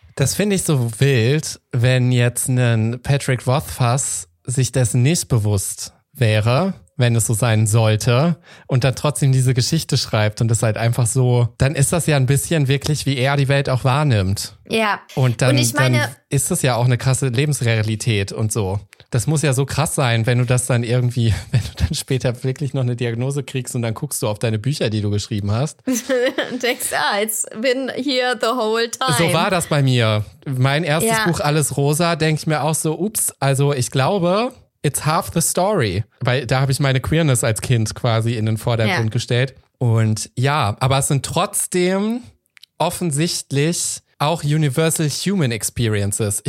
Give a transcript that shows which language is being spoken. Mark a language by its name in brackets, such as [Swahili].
[German] Das finde ich so wild, wenn jetzt ein Patrick Rothfuss sich dessen nicht bewusst wäre, wenn es so sein sollte, und dann trotzdem diese Geschichte schreibt und es halt einfach so, dann ist das ja ein bisschen wirklich, wie er die Welt auch wahrnimmt. Ja. Und dann ist das ja auch eine krasse Lebensrealität und so. Das muss ja so krass sein, wenn du das dann irgendwie, wenn du dann später wirklich noch eine Diagnose kriegst und dann guckst du auf deine Bücher, die du geschrieben hast. Und denkst, [English] it's been here the whole time. [German] So war das bei mir. Mein erstes Buch, Alles Rosa, denke ich mir auch so, ups, also ich glaube, [English] it's half the story, [German] weil da habe ich meine Queerness als Kind quasi in den Vordergrund gestellt. Und ja, aber es sind trotzdem offensichtlich auch [English] universal human experiences.